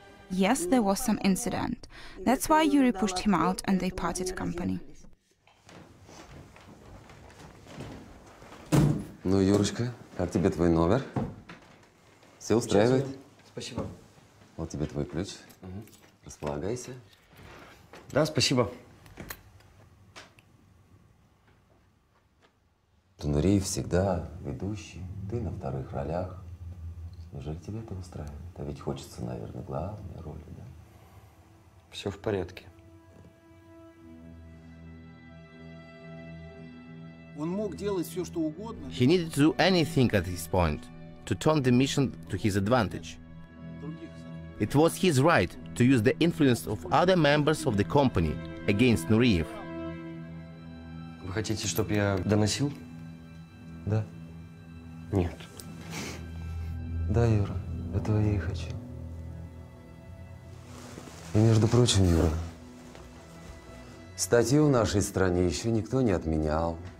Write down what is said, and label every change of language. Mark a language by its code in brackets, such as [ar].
[en] yes, there was some incident. That's why Yuri pushed him out and they parted company. [ru] Ну, Юрочка, как тебе твой номер? Все устраивает? Спасибо. Вот тебе твой ключ. Располагайся. Да, спасибо. Нуреев всегда ведущий, ты на вторых ролях. Неужели тебе это устраивает? А ведь хочется, наверное, главной роли, да? Все в порядке. Он мог делать все, что угодно. [en] He needed to do anything at this point to turn the mission to his advantage. It was his right to use the influence of other members of the company against Nureyev. [ru] Вы хотите, чтобы я доносил? Да? Нет. Да, Юра, этого я и хочу. И, между прочим, Юра, статью в нашей стране еще никто не отменял.